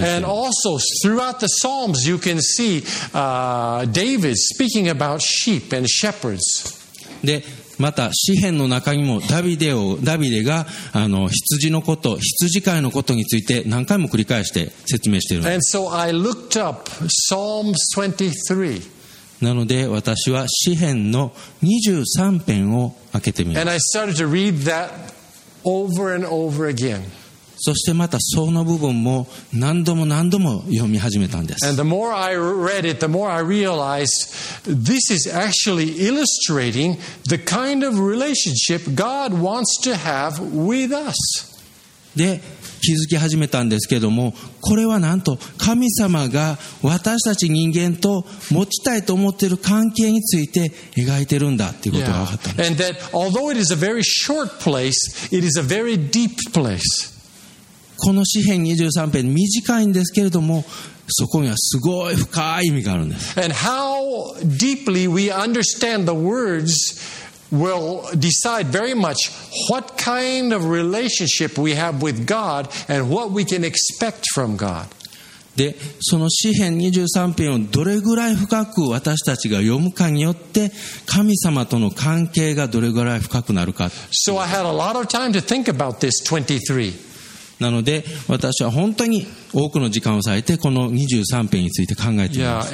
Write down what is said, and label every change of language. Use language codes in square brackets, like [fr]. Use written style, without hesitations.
[en] た。And also throughout the Psalms, you can see David speaking about sheep and shepherds. [ja] で、また詩篇の中にもダビデが羊のこと羊飼いのことについて何回も繰り返して説明しているんです。 [en] And so I looked up Psalm 23. [ja] なので私は詩篇の23篇を開けてみます。 [en] And I started to read that over and over again. [ja] そしてまたその部分も何度も何度も読み始めたんです。 [en] And the more I read it, the more I realized this is actually illustrating the kind of relationship God wants to have with us. [ja] で、気づき始めたんですけども、これはなんと神様が私たち人間と持ちたいと思っている関係について描いてるんだっていうことが分かったんです。 [en] Yeah. And that although it is a very short place, it is a very deep place. [ja] この詩篇23篇短いんですけれどもそこにはすごい深い意味があるんです。 [en] And how deeply we understand the words will decide very much what kind of relationship we have with God and what we can expect from God. [ja] で、その詩篇23篇をどれぐらい深く私たちが読むかによって神様との関係がどれぐらい深くなるか。 [en] So I had a lot of time to think about this 23. [ja] なので私は本当に多くの時間を割いてこの23編について考えています。